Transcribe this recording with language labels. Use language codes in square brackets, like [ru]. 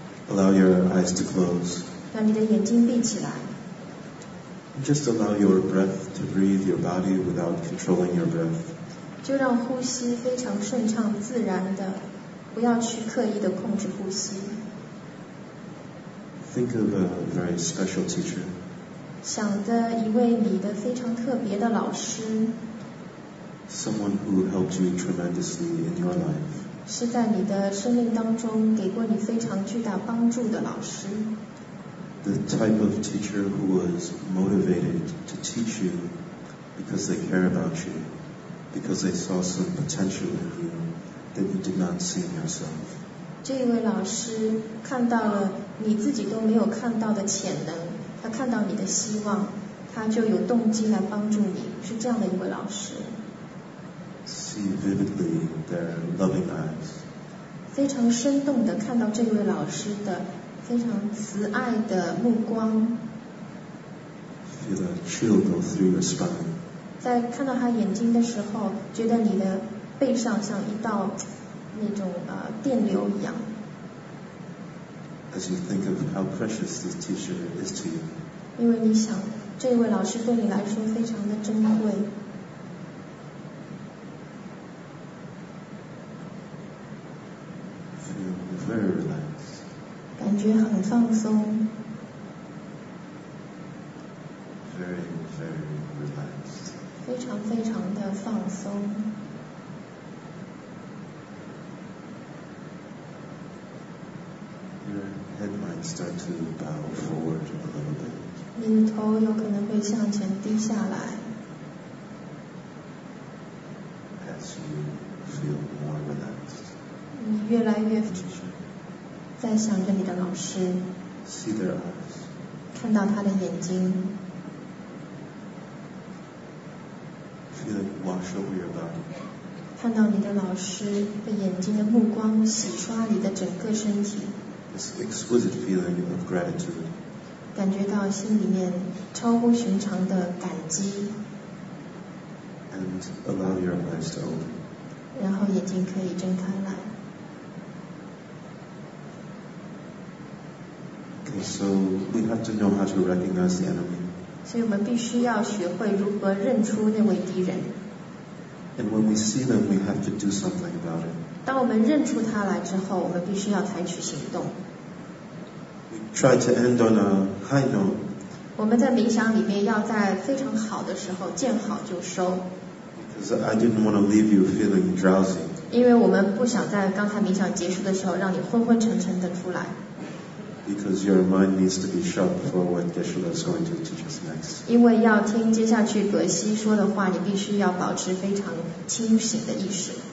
[en] Allow your eyes to close. [zh] 把你的眼睛闭起来。 [en] Just allow your breath to breathe your body without controlling your breath. [zh] 就让呼吸非常顺畅自然的，不要去刻意的控制呼吸。 [en] Think of a very special teacher. [zh] 想的一位你的非常特别的老师。 [en] Someone who helped you tremendously in your life. [zh] 是在你的生命当中给过你非常巨大帮助的老师。 [en] The type of teacher who was motivated to teach you because they care about you, because they saw some potential in you that you did not see in yourself. [zh] 这位老师看到了你自己都没有看到的潜能，他看到你的希望，他就有动机来帮助你，是这样的一位老师。 [en] See vividly their loving eyes. [zh] 非常生动地看到这位老师的非常慈爱的目光。 [en] Feel a chill go through your spine. [zh] 在看到他眼睛的时候，觉得你的背上像一道那种电流一样。 [en] As you think of how precious this teacher is to you. [zh] 因为你想，这位老师对你来说非常的珍贵。 [en] Feel very relaxed. [zh] 感觉很放松。 [en] Very, very relaxed. [zh] 非常非常的放松。 [en] Your head might start to bow forward a little bit. [zh] 你的头有可能会向前低下来。 [en] As you feel more relaxed. [zh] 你越来越在想着你的老师。 [en] See their eyes. [zh] 看到他的眼睛。 [en] Feel it wash over your body. [zh] 看到你的老师的眼睛的目光洗刷你的整个身体。 [en] This exquisite feeling of gratitude. [zh] 感觉到心里面超乎寻常的感激。 [en] And allow your eyes to open. [zh] 然后眼睛可以睁开来。 [en] Okay, so we have to know how to recognize the enemy. [zh] 所以我们必须要学会如何认出那位敌人。 [en] And when we see them, we have to do something about it. [zh] 当我们认出他来之后，我们必须要采取行动。 [en] We try to end on a high note. [zh] 我们在冥想里面要在非常好的时候见好就收。 [en] Because I didn't want to leave you feeling drowsy. [zh] 因为我们不想在刚才冥想结束的时候让你昏昏沉沉的出来。 [en] Because your mind needs to be sharp for what Geshe-la is going to teach us next. [zh] 因为要听接下去格西说的话，你必须要保持非常清醒的意识。